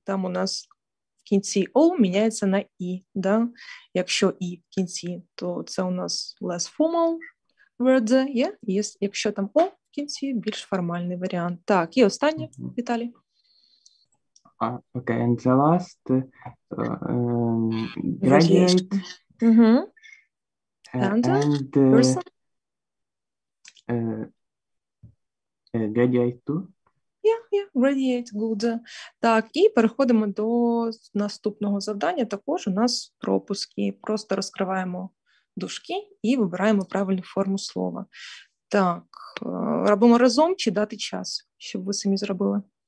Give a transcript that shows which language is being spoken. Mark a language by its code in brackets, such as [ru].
[uk] Там у нас в кінці O міняється на I, да? Якщо I в кінці, то це у нас [en] less formal word, yeah? Yes. [uk] Якщо там O в кінці, більш формальний варіант. Так, і останнє, uh-huh. Віталій. [en] Okay, and the last graduate and graduate too. Yeah, graduate, good. [uk] Так, і переходимо до наступного завдання. Також у нас пропуски. Просто розкриваємо дужки і вибираємо правильну форму слова. Так, робимо разом чи дати час, щоб ви самі зробили?